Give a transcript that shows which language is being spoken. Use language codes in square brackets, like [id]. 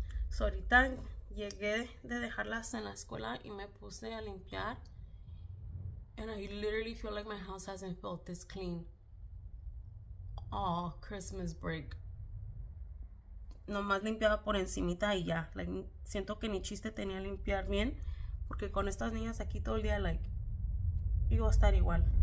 [es] So ahorita llegué de dejarlas en la escuela y me puse a limpiar. [en] And I literally feel like my house hasn't felt this clean all Christmas break. [es] Nomás limpiaba por encimita y ya. Like, siento que ni chiste tenía limpiar bien. Porque con estas niñas aquí todo el día, like, iba a estar igual.